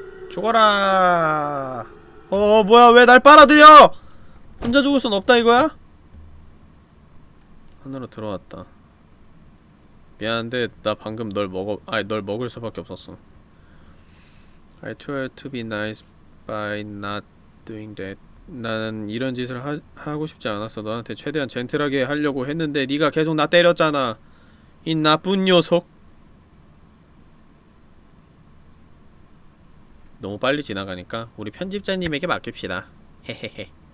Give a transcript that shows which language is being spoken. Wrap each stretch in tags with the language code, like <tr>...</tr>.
<ko>죽어라! 어 뭐야 왜 날 빨아들여! 혼자 죽을 순 없다 이거야? 하늘로 들어왔다. 미안한데 나 방금 널 먹어 아니 널 먹을 수밖에 없었어.</ko> <en>I try to be nice by not doing that.</en> <ko>나는 이런 짓을 하고 싶지 않았어. 너한테 최대한 젠틀하게 하려고 했는데 네가 계속 나 때렸잖아. 이 나쁜 녀석. 너무 빨리 지나가니까 우리 편집자님에게 맡깁시다. 헤헤헤.</ko>